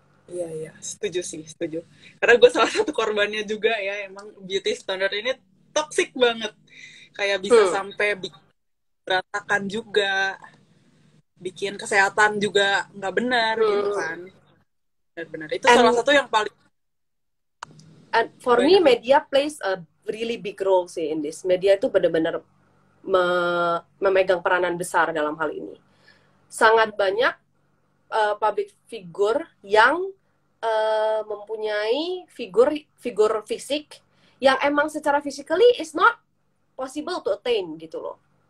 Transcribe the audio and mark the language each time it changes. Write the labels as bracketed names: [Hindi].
[Indonesian] Iya, iya. Setuju sih, setuju. Karena gue salah satu korbannya juga ya, emang beauty standard ini toxic banget. Kayak bisa sampai berantakan juga, bikin kesehatan juga nggak benar gitu kan. Benar-benar. Itu salah satu yang paling... [English] And for me, media plays a really big role sih in this. [Indonesian] Media itu benar-benar memegang peranan besar dalam hal ini. Sangat banyak public figure yang mempunyai figur fisik yang emang secara physically [English] is not possible to attain [Indonesian] gitu loh.